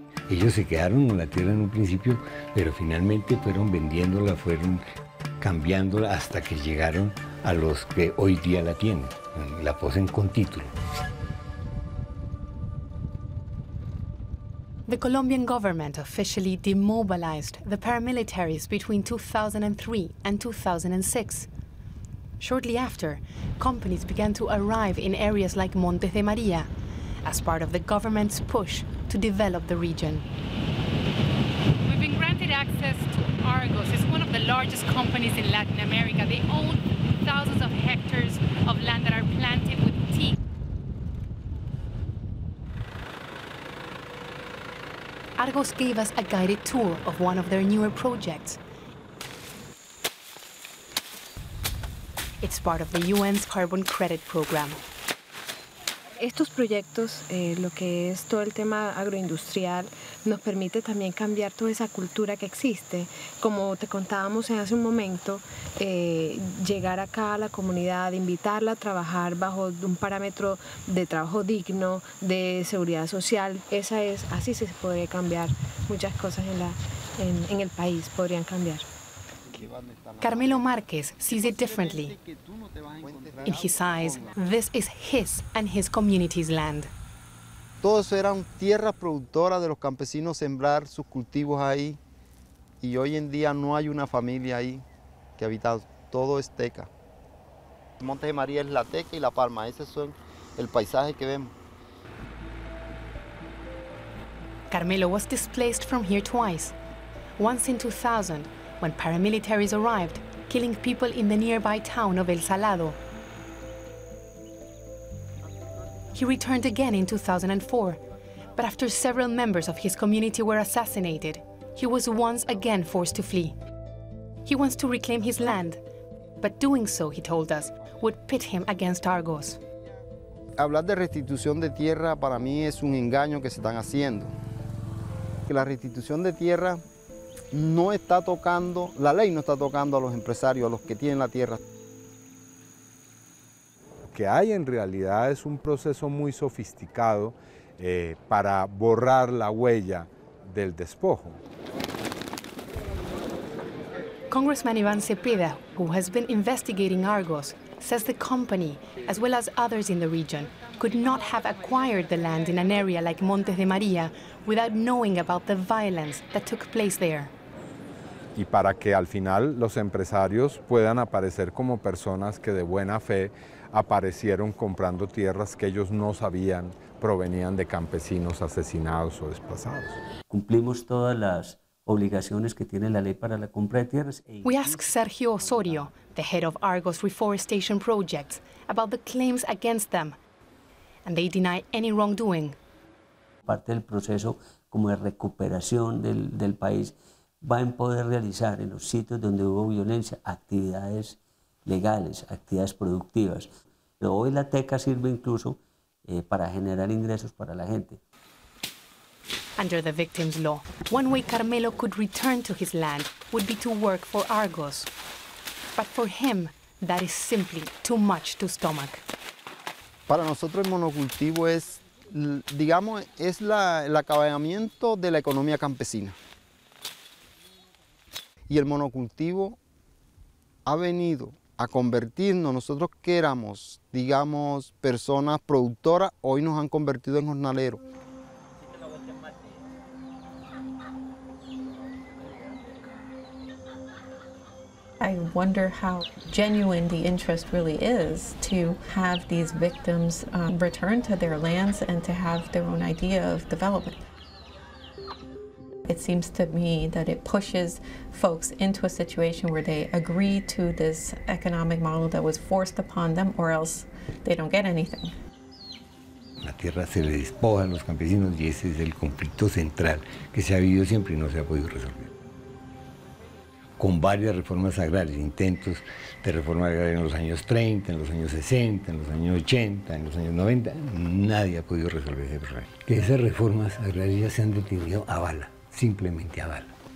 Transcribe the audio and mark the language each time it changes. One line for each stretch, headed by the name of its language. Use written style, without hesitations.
Spanish: Ellos se quedaron con la tierra en un principio, pero finalmente fueron vendiéndola, fueron cambiándola hasta que llegaron a los que hoy día la tienen, la poseen con título.
English: The Colombian government officially demobilized the paramilitaries between 2003 and 2006. Shortly after, companies began to arrive in areas like Montes de María as part of the government's push to develop the region. We've been granted access to Argos. It's one of the largest companies in Latin America. They own thousands of hectares of land that are planted with tea. Argos gave us a guided tour of one of their newer projects. It's part of the UN's Carbon Credit Program.
Spanish: Estos proyectos, lo que es todo el tema agroindustrial, nos permite también cambiar toda esa cultura que existe. Como te contábamos hace un momento, llegar acá a la comunidad, invitarla a trabajar bajo un parámetro de trabajo digno, de seguridad social, esa es, así se puede cambiar muchas cosas en el país, podrían cambiar.
English: Carmelo Márquez sees it differently. In his eyes, this is his and his community's land.
Spanish: Todo eso era tierra productora de los campesinos, sembrar sus cultivos ahí. Y hoy en día no hay una familia ahí que habita, todo es teca. Monte de María es la teca y la palma, ese es el paisaje que vemos.
English: Carmelo was displaced from here twice. Once in 2000, when paramilitaries arrived, killing people in the nearby town of El Salado. He returned again in 2004, but after several members of his community were assassinated, he was once again forced to flee. He wants to reclaim his land, but doing so, he told us, would pit him against Argos.
Spanish: Hablar de restitución de tierra para mí es un engaño que se están haciendo. Que la restitución de tierra no está tocando, la ley no está tocando a los empresarios, a los que tienen la tierra. Lo que hay en realidad es un proceso muy sofisticado para borrar la huella del despojo.
English: Congressman Iván Cepeda, who has been investigating Argos, says the company, as well as others in the region, could not have acquired the land in an area like Montes de María without knowing about the violence that took place there.
Spanish: Y para que al final los empresarios puedan aparecer como personas que de buena fe aparecieron comprando tierras que ellos no sabían provenían de campesinos asesinados o desplazados. Cumplimos todas las obligaciones que tiene la ley para la compra de tierras.
English: We ask Sergio Osorio, the head of Argos Reforestation Projects, about the claims against them, and they deny any wrongdoing.
Spanish: Parte del proceso como de recuperación del país va a poder realizar en los sitios donde hubo violencia actividades legales, actividades productivas. Pero hoy la teca sirve incluso para generar ingresos para la gente.
English: Under the victims' law, one way Carmelo could return to his land would be to work for Argos. But for him, that is simply too much to stomach.
Spanish: Para nosotros el monocultivo es, digamos, es el acabamiento de la economía campesina. Y el monocultivo ha venido a convertirnos, nosotros que éramos, digamos, personas productoras, hoy nos han convertido en jornaleros.
English: I wonder how genuine the interest really is to have these victims return to their lands and to have their own idea of development. It seems to me that it pushes folks into a situation where they agree to this economic model that was forced upon them, or else they don't get anything.
Spanish: La tierra se le despoja a los campesinos y ese es el conflicto central que se ha vivido siempre y no se ha podido resolver. Con varias reformas agrarias, intentos de reforma agraria en los años 30, en los años 60, en los años 80, en los años 90, nadie ha podido resolver ese problema. Que esas reformas agrarias se han detenido a bala. Simplemente a bala.